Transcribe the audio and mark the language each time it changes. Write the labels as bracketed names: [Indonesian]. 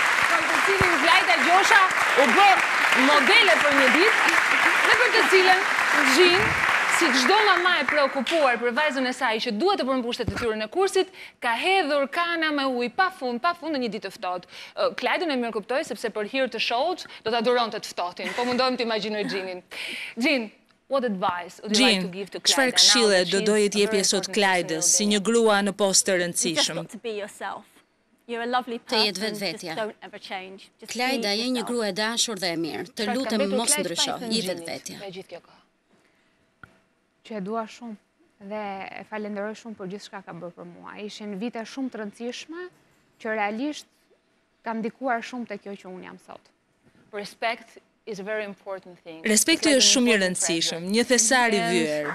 [Albanian] Për të cilin Klajda Gjosha u bë modele për një ditë, dhe për të cilën Jean, si çdo mama e preokupuar për vajzën e saj që duhet të përmbushte detyrën e kursit, ka hedhur kana me ujë pafund në një ditë të ftohtë. Klajdën e mirë kuptoj sepse për hir të showt do ta duronte të ftohtin, po mundohem të imagjinoj Jeanin. [English] Jean, what advice would you like to give to Klajda? [Albanian] Çfarë këshille do doje të jepje sot Klajdës si një grua në post të rëndësishëm? [English] Just to be yourself. You're a lovely person. [Albanian] Të jetë vetvetja. Klajda je një grua e dashur dhe e mirë. Të lutem mos ndryshoj. Jetë vetvetja. Që e dua shumë dhe e falenderoj shumë për gjithçka ka bërë për mua. Ishin vite shumë të rëndësishme që realisht kam ndikuar shumë te kjo që un jam sot. [English] Respect is a very important thing. [Albanian] Respekti është shumë i rëndësishëm, një thesari vjer.